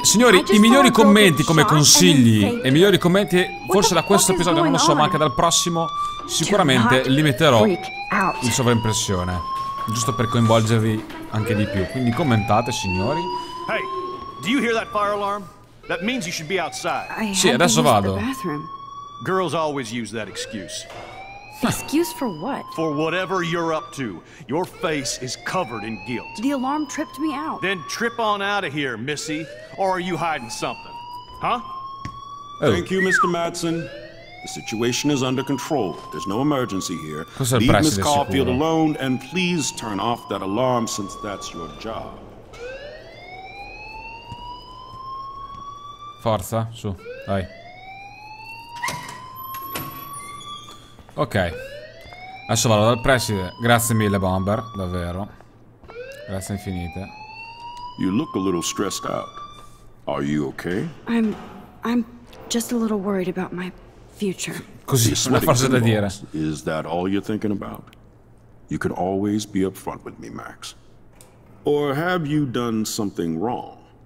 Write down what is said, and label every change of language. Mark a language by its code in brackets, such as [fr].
[it] Signori, i migliori commenti come consigli, e i migliori commenti forse da questo episodio, non lo so, ma anche dal prossimo, sicuramente li metterò in sovraimpressione, giusto per coinvolgervi anche di più. Quindi commentate, signori. [en] Do you hear that fire alarm? That means you should be outside. [it] Sì, adesso vado. [en] Girls always use that excuse. Excuse for what? For whatever you're up to. Your face is covered in guilt. The alarm tripped me out. Then trip on out of here, Missy. Or are you hiding something? Huh? Oh. Thank you, Mr. Madsen. The situation is under control. There's no emergency here. Leave Miss Caulfield alone and please turn off that alarm since that's your job. [it] Forza, su, dai. Ok. Adesso vado dal preside. Grazie mille, Bomber, davvero. Grazie infinite. [en] You look a little stressed out. Are you okay? I'm just a little worried about my future. [it] Così, una frase da dire. [en] Is that all you're thinking about? You can always be upfront with me, Max. Or have you done something wrong?